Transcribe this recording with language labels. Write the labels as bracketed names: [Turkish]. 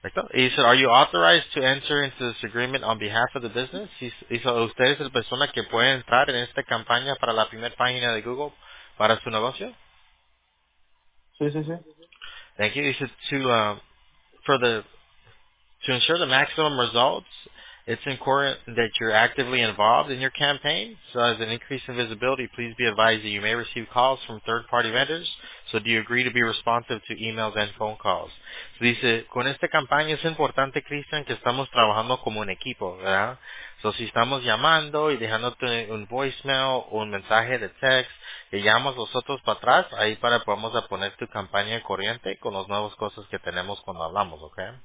[English] He said, are you authorized to enter into this agreement on behalf of the business? [Spanish] Hizo, ¿usted es la persona que puede entrar en esta campaña para la primera página de Google para su negocio? Sí. [English] Thank you. He said, to ensure the maximum results, it's important that you're actively involved in your campaign. So as an increase in visibility, please be advised that you may receive calls from third-party vendors. So do you agree to be responsive to emails and phone calls? [Spanish] So dice, con esta campaña es importante, Christian, que estamos trabajando como un equipo, ¿verdad? So si estamos llamando y dejándote un voicemail o un mensaje de text, que llamamos nosotros para atrás, ahí para podamos a poner tu campaña en corriente con las nuevas cosas que tenemos cuando hablamos, ¿ok?